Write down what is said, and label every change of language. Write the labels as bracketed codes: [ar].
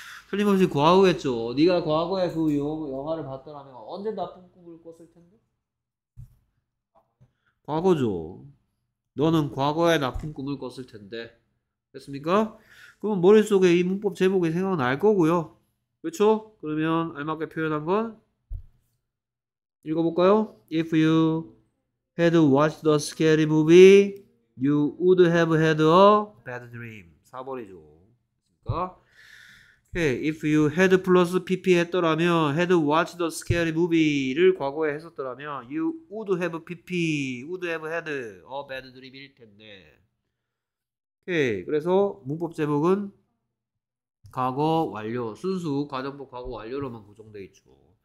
[ko] 틀림없이 과거겠죠. 네가 과거에 그 영화를 봤더라면 언제 나쁜 꿈을 꿨을 텐데? 과거죠. 너는 과거에 나쁜 꿈을 꿨을 텐데. 됐습니까? 그럼 머릿속에 이 문법 제목이 생각날 거고요. 그렇죠? 그러면 알맞게 표현한 건 읽어볼까요? [en] If you had watched a scary movie, you would have had a bad dream. [ko] 4번이죠. 그러니까, okay. [en] If you had plus PP [ko] 했더라면, [en] had watched a scary movie [ko] 를 과거에 했었더라면, [en] you would have PP, would have had a bad dream [ko] 일 텐데. [en] 오케이. Okay. [ko] 그래서 문법 제목은 과거 완료, 순수 가정법 과거 완료로만 구성되어 있죠.